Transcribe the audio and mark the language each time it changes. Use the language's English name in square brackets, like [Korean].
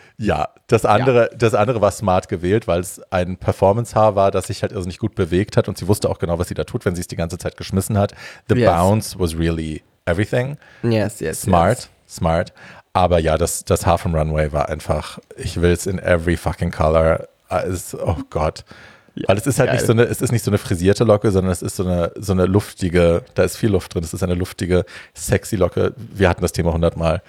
[German] Ja, das andere war smart gewählt, weil es ein Performance-Haar war, das sich halt irrsinnig gut bewegt hat und sie wusste auch genau, was sie da tut, wenn sie es die ganze Zeit geschmissen hat. [English] The bounce was really everything. Yes, yes. Smart. [German] Aber ja, das Haar vom Runway war einfach, ich will es [English] in every fucking color. [German] Oh Gott. Ja, weil es ist halt geil. nicht so eine frisierte Locke, sondern es ist so eine luftige, da ist viel Luft drin, es ist eine luftige, sexy Locke. Wir hatten das Thema 100 Mal.